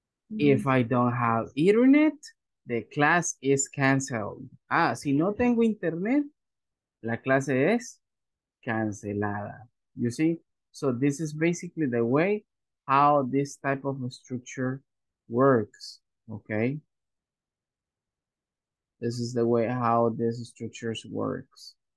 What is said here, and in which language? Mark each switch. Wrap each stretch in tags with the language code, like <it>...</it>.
<en>If I don't have internet, the class is canceled.</en> <es>Ah, si no tengo internet, la clase es cancelada.</es> <en>You see? So this is basically the way how this type of structure works. Okay? This is the way how this structure works.</en>